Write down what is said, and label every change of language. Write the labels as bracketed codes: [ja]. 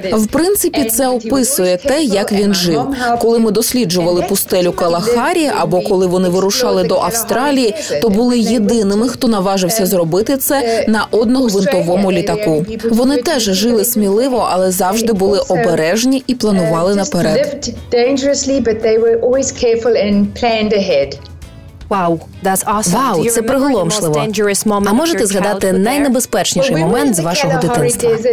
[uk] В принципі, це описує те, як він жив. Коли ми досліджували пустелю Калахарі, або коли вони вирушали до Австралії, то були єдиними, хто наважився зробити це на одногвинтовому літаку. Вони теж жили сміливо, але завжди були обережні і планували наперед. [en] Always careful and planned ahead. Wow, that's awesome. [uk] Вау, це приголомшливо. А можете згадати найнебезпечніший момент з вашого дитинства?